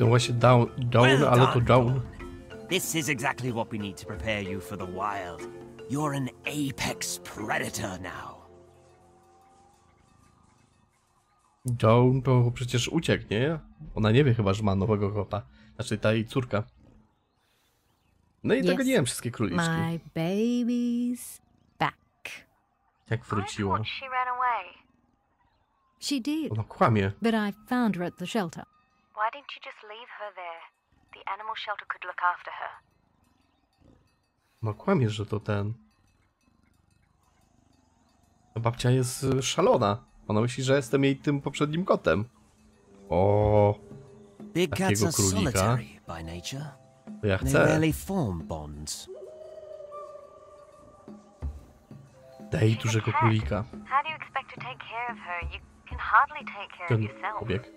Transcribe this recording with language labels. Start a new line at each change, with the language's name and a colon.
English: Well done, Dawn. This is exactly what we need to prepare you for the wild. You're an apex predator now.
Polish: Dawn to przecież uciek, nie? Ona nie wie chyba, że ma nowego kota. Znaczy ta jej córka. No i dogoniłem wszystkie króliczki.
English: My baby's back.
Polish: Jak wróciła.
English: I thought she ran away. She did.
Polish: Ona kłamie.
English: But I found her at the shelter. Why didn't you just leave her there? The animal shelter could look after her.
Polish: No kłamie, że to ten. No, babcia jest szalona. Ona myśli, że jestem jej tym poprzednim kotem. O.
English: Big cats are solitary by nature.
Polish: Ja chcę.
English: They rarely form bonds.
Polish: Daj dużego królika.
English: How do you expect to take care of her? You can hardly take care of yourself.